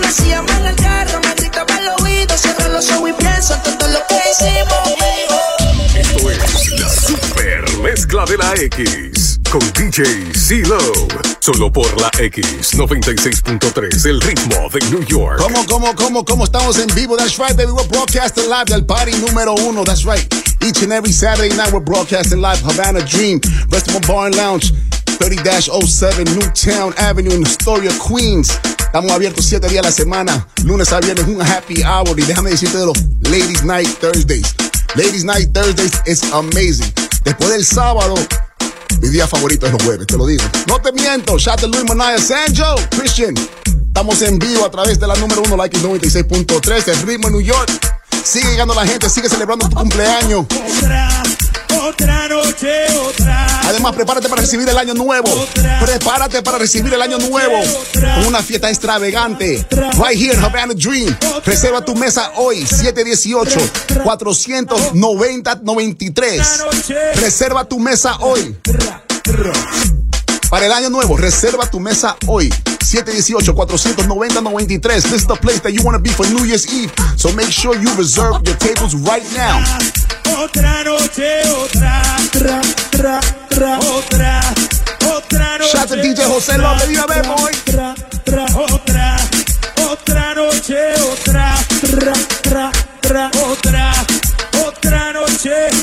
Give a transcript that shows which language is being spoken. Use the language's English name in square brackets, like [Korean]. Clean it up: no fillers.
[Spanish] Lo hacíamos en el carro, me gritaba al oído. Cierro los ojos y pienso ante todo lo que hicimos, baby. Esto es la super mezcla de la X. con DJ Z-Lo. Solo por la X96.3, el ritmo de New York. [English] ¿Cómo estamos en vivo? That's right, baby, we're broadcasting live del party número uno. That's right, each and every Saturday night we're broadcasting live. Havana Dream, Restaurant Bar and Lounge, 30-07 Newtown Avenue in Astoria, Queens. [Spanish] Estamos abiertos 7 días a la semana, lunes a viernes, un happy hour. Y déjame decirte de los Ladies Night Thursdays. [English] Ladies Night Thursdays is amazing. [Spanish] Después del sábado, mi día favorito es los jueves, te lo digo. No te miento, shout out to Luis Manaya, Sanjo, Christian. Estamos en vivo a través de la número 1, like 96.3, el ritmo en New York. Sigue llegando la gente, sigue celebrando tu cumpleaños. Otra noche, otra. Además, prepárate para recibir el año nuevo. Prepárate para recibir el año nuevo con una fiesta extravagante. Right here, Havana Dream. Reserva tu mesa hoy, 718-490-93. Reserva tu mesa hoy. Para el año nuevo, reserva tu mesa hoy. 718-490-93. [English] This is the place that you want to be for New Year's Eve. So make sure you reserve your tables right now. [Spanish] Otra noche, otra, tra, tra, tra, otra, otra noche. [English] Shout out to DJ José López, dime a ver, boy. [Spanish] Otra, tra, otra, otra noche, otra, tra, tra, tra, otra, otra noche.